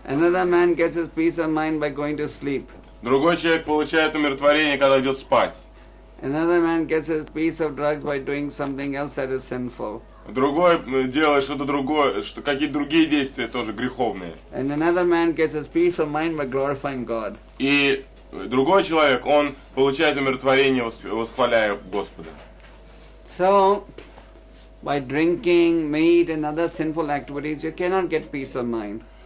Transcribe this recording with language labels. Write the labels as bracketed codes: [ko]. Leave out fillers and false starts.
[en] Another man gets his peace of mind by going to sleep. [ru] Другой человек получает умиротворение, когда идет спать. [en] Another man gets his piece of drugs by doing something else that is sinful. [ru] Другой делает что-то другое, что какие-то другие действия тоже греховные. [en] And another man gets his peace of mind by glorifying God. [ru] И другой человек, он получает умиротворение, восхваляя Господа. [en] So, by drinking, meat and other sinful activities, you cannot get peace of mind.